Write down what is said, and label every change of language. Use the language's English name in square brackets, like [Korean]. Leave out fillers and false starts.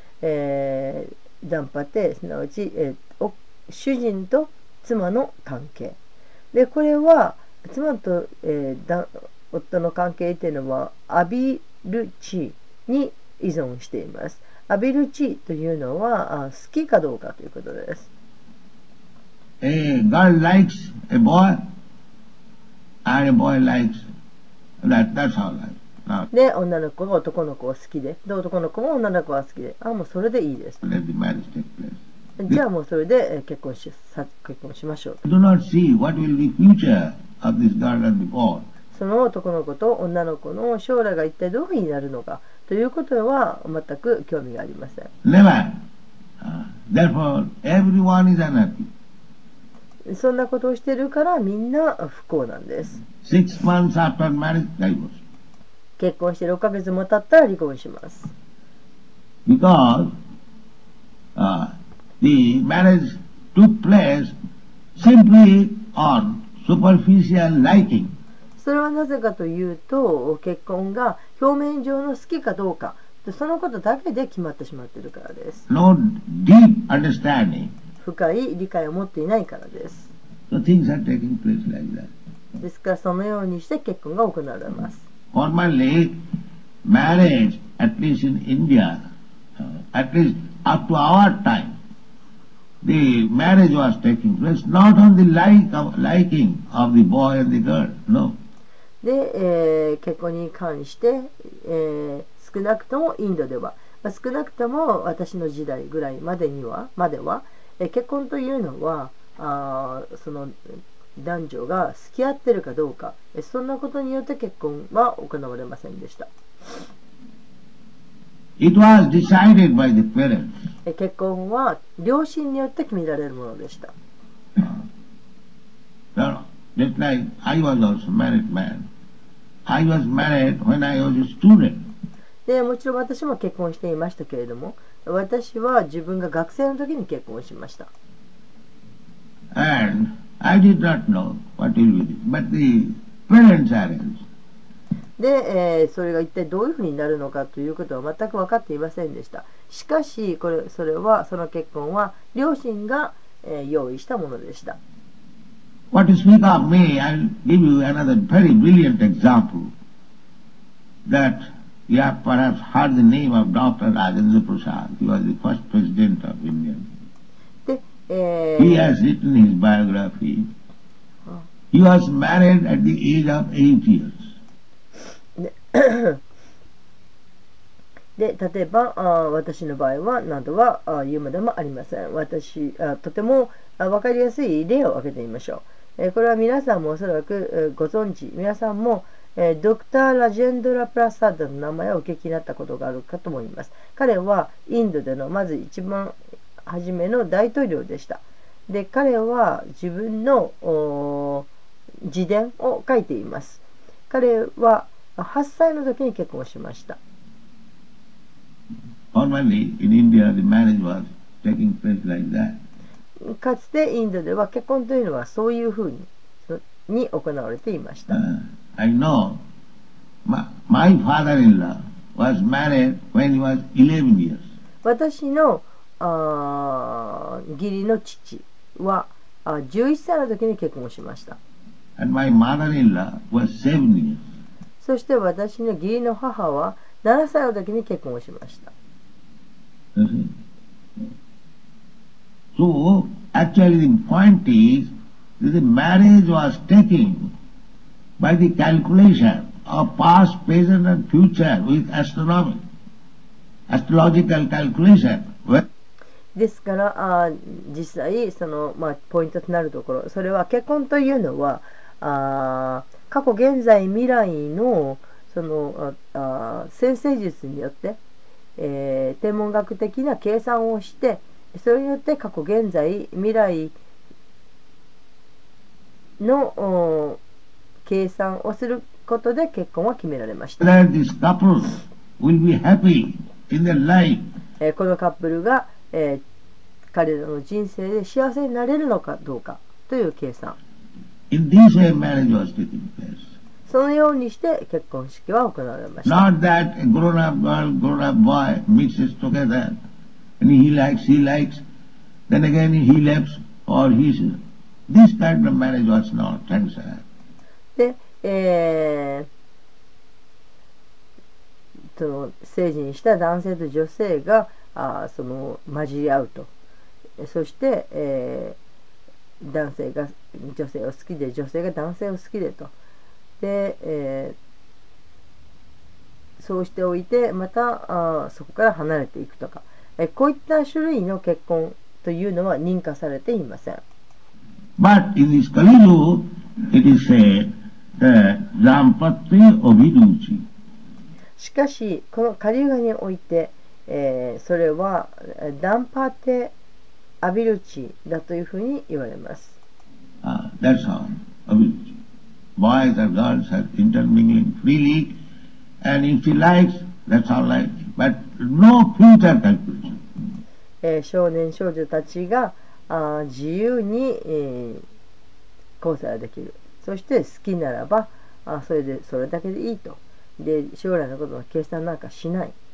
[Japanese] ダンパテすなわち、主人と妻の関係で、これは妻と、夫の関係というのはアビルチに依存しています。アビルチというのは好きかどうかということです。 [English] A girl likes a boy, and a boy likes that. That's all right. [Japanese] で、女の子が男の子を好きで、で、男の子も女の子は好きで、あ、もうそれでいいです。 [English] Let the marriage take place. [Japanese] じゃあもうそれで結婚しましょう。 [English] Do not see what will be future of this girl and the boy. [Japanese] その男の子と女の子の将来が一体どうになるのかということは全く興味がありません。 [English] Never. Therefore, everyone is unhappy. [Japanese] そんなことをしているからみんな不幸なんです。 [English] 6 months after marriage, divorce. [Japanese] 結婚して6ヶ月も経ったら離婚します。 [English] Because, the marriage took place simply on superficial liking. [Japanese] そそれはなぜかというと、結婚が表面上の好きかどうか、そのことだけで決まってしまっているからです。 [English] No deep understanding. [Japanese] 深い理解を持っていないからです。 [English] So things are taking place like that. [Japanese] ですから、そのようにして結婚が行われます。 [English] Formally, marriage, at least in India, at least up to our time, the marriage was taking place not on the liking of the boy and the girl, no. [Japanese] で、結婚に関して、少なくともインドでは、少なくとも私の時代ぐらいまでには、までは、結婚というのはその男女が付き合ってるかどうか、そんなことによって結婚は行われませんでした。 [English] It was decided by the parents. [Japanese] 結婚は両親によって決められるものでした。なるほど。 [English] That night, I was also married man. I was married when I was a student. [Japanese] で、もちろん私も結婚していましたけれども、私は自分が学生の時に結婚しました。 [English] And I did not know what is with it, but the parents are else. [Japanese] で、それが一体どういうふうになるのかということは全く分かっていませんでした。しかし、それはその結婚は両親が、用意したものでした。 [English] What you speak of me, I'll give you another very brilliant example that you have perhaps heard the name of Dr. Rajendra Prasad. He was the first president of India. He has written his biography. He was married at the age of 8 years. [Japanese] で、例えば私の場合は何度は言うまでもありません。私、とても分かりやすい例を挙げてみましょう。これは皆さんもおそらくご存知、皆さんもドクター・ラジェンドラ・プラサードの名前をお聞きになったことがあるかと思います。彼はインドでのまず一番初めの大統領でした。で、彼は自分の自伝を書いています。彼は8歳の時に結婚しました。 [English] Formally, in India, the marriage was taking place like that. [Japanese] かつてインドでは結婚というのはそういうふうに行われていました。 [English] I know my father-in-law was married when he was 11 years. [Japanese] 私の義理の父は11歳の時に結婚しました。 [English] And my mother-in-law was 7 years. [Japanese] そして私の義理の母は7歳の時に結婚しました。 [English] So, actually the point is that the marriage was taken by the calculation of past, present and future with astronomy, astrological calculation. [Japanese] ですから、実際その、ポイントとなるところ、それは結婚というのは、過去、現在、未来の、その、占星術によって、天文学的な計算をして、それによって過去現在未来の計算をすることで結婚は決められました。 [English] That this couple will be happy in their life. [Japanese] このカップルが、彼らの人生で幸せになれるのかどうかという計算。 [English] In this way, marriage was taking place. [Japanese] そのようにして結婚式は行われました。 [English] Not that a grown-up girl, grown-up boy mixes together. And he likes, he likes. Then again, he leaves or he's. This kind of marriage was not tensor. [Japanese] で、その成人した男性と女性が、その混じり合うと、そして、男性が女性を好きで、女性が男性を好きでと、で、そうしておいてまたそこから離れていくとか。こういった種類の結婚というのは認可されていません。 [English] But in this Kali Yuga, it is said that Dampatya Abhiruchi. [Japanese] しかし、このカリウガにおいて、それはダンパテ・アビルチだというふうに言われます。 [English] That's all. Abhiruchi. Boys and girls are intermingling freely, and if he likes, that's all right. But no future calculation. [Japanese] 少年少女たちが自由に交際ができる、そして好きならばあ、それでそれだけでいいと。で、将来のことは計算なんかしない。